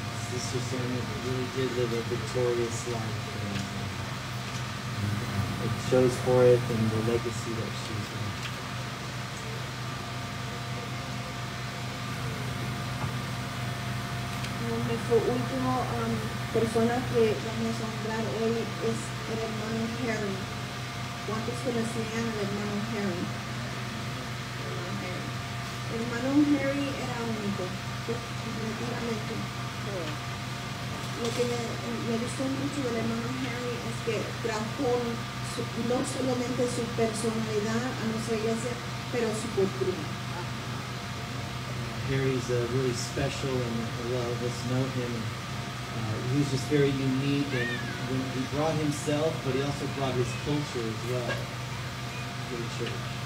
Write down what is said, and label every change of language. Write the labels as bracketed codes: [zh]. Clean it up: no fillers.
[en] Sister Samuel really did live a victorious life. And it shows for it and the legacy that she's in. [es] Nuestro último persona que vamos a honrar hoy es el hermano Harry. ¿Cuántos conocían al hermano Harry? El hermano Harry era único, definitivamente. Lo que me gustó mucho del hermano Harry es que trajo no solamente su personalidad a nuestra iglesia, pero su cultura. [en] Harry's really special, and a lot of us know him. He was just very unique, and when he brought himself, but he also brought his culture as well to the church.